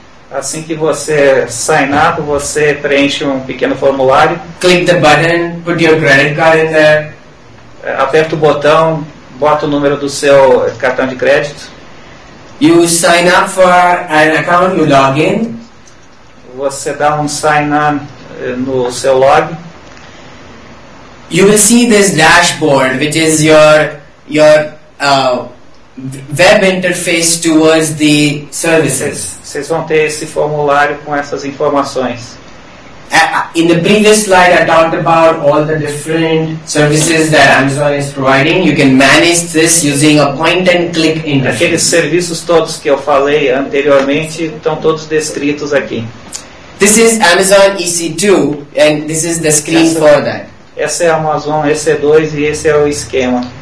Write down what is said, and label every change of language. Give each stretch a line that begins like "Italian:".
Portuguese: Assim que você sign up, você preenche um pequeno formulário.
English: Click the button, put your credit card in there.
Portuguese: Aperta o botão, bota o número do seu cartão de crédito.
English: You sign up for an account, you log in.
Portuguese: Você dá um sign up no seu log.
English: You will see this dashboard, which is your web interface towards the services.
Portuguese: Vocês vão ter esse formulário com essas informações.
English: In the previous slide, I talked about all the different services that Amazon is providing. You can manage this using a point-and-click interface.
Portuguese: Aqueles serviços todos que eu falei anteriormente estão todos descritos aqui.
English: This is Amazon EC2, and this is the screen for that.
Portuguese: Essa é a Amazon EC2 e esse é o esquema.